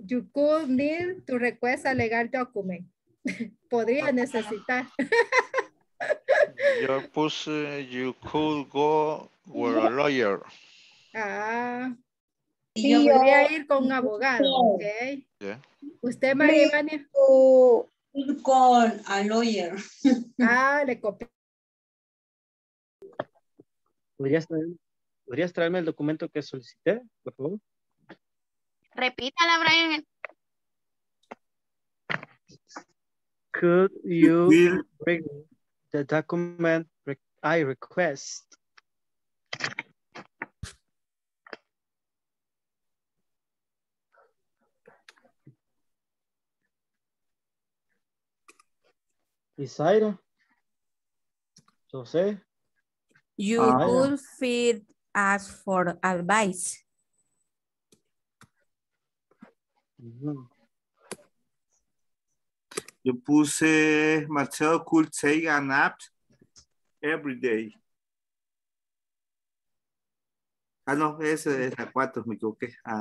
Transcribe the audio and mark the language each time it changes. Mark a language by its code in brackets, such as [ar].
[en] You could need to request a legal document. [es] Podría necesitar. Yo puse, [en] you could go with a lawyer. Ah. [es] Y yo podría ir con un abogado, ok. [en] Yeah. [es] Usted, María Ivania. Ir con [en] a lawyer. [es] Ah, le copié. ¿Podrías traerme el documento que solicité, por favor? Repítala, Brian. [en] Could you bring the document I request? Isaira. José. You could feed us for advice. [es] Yo puse, [en] Marcelo could take a nap every day. [es] Ah, no, esa es la cuatro, me equivoqué.